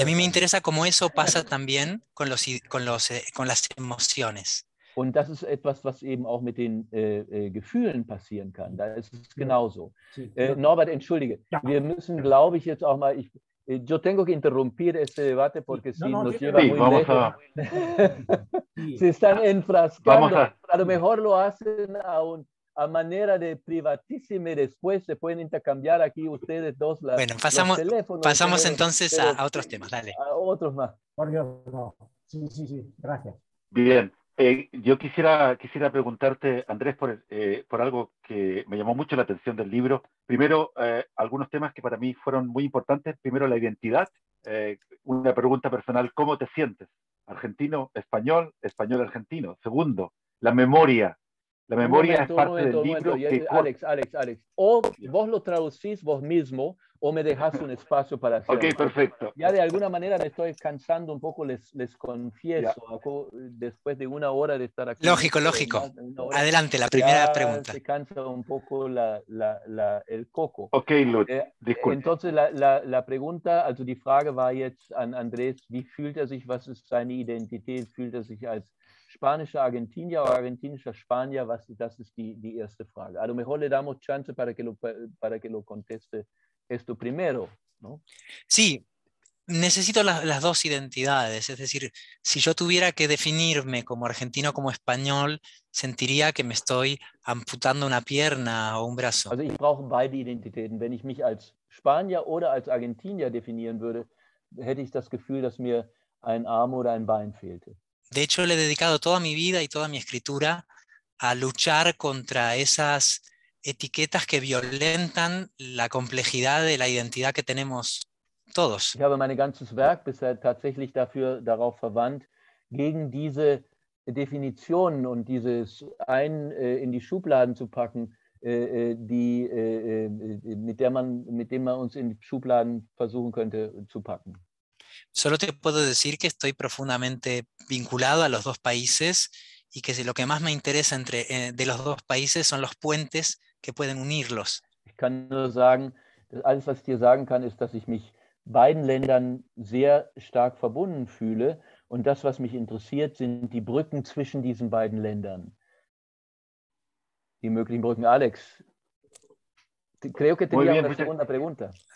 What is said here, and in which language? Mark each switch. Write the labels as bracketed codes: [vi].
[es] Y a mí me interesa cómo eso pasa también con los con las emociones. [de] Und das ist etwas, was eben auch mit den Gefühlen passieren kann. Da ist es genauso. Norbert, entschuldige. Ja. Wir müssen, glaube ich, jetzt auch mal. [es] Yo tengo que interrumpir este debate porque si nos lleva muy lejos. A... Se están enfrascando. A lo mejor lo hacen a manera de privatísimo y después se pueden intercambiar aquí ustedes dos las, bueno, pasamos, los teléfonos. Pasamos entonces a otros temas, dale. A otros más. Por Dios, no. Sí, gracias. Bien, yo quisiera preguntarte, Andrés, por algo que me llamó mucho la atención del libro. Primero, algunos temas que para mí fueron muy importantes. Primero, la identidad. Una pregunta personal, ¿cómo te sientes? ¿Argentino, español, español-argentino? Segundo, la memoria. La memoria es parte del libro. Alex. O vos lo traducís vos mismo o me dejás un espacio para hacerlo. Ok, perfecto. Ya de alguna manera me estoy cansando un poco, les confieso. Ya. Después de una hora de estar aquí. Lógico. Hora, adelante, la primera pregunta. Se cansa un poco el coco. Ok, Lutz, disculpe. Entonces la pregunta, [de] also die Frage war jetzt an Andrés, wie fühlt sich, was ist seine Identität, fühlt sich als spanischer Argentinier o argentinischer Spanier, was, das ist die erste Frage. [es] A lo mejor le damos chance para que lo conteste esto primero, ¿no? Sí, necesito las dos identidades. Es decir, si yo tuviera que definirme como argentino, como español, sentiría que me estoy amputando una pierna o un brazo. [de] Also ich brauche beide Identitäten. Wenn ich mich als Spanier oder als Argentinier definieren würde, hätte ich das Gefühl, dass mir ein Arm oder ein Bein fehlte. [es] De hecho, le he dedicado toda mi vida y toda mi escritura a luchar contra esas etiquetas que violentan la complejidad de la identidad que tenemos todos. [de] Ich habe mein ganzes Werk bisher tatsächlich darauf verwandt, gegen diese Definitionen und dieses ein in die Schubladen zu packen, mit dem man uns in die Schubladen versuchen könnte zu packen. [es] Solo te puedo decir que estoy profundamente vinculado a los dos países y que lo que más me interesa de los dos países son los puentes que pueden unirlos. [de] Ich kann nur sagen, alles was ich dir sagen kann, ist, dass ich mich beiden Ländern sehr stark verbunden fühle und das was mich interessiert, sind die Brücken zwischen diesen beiden Ländern. Die möglichen Brücken, Alex. [es] Creo que tenía una segunda pregunta.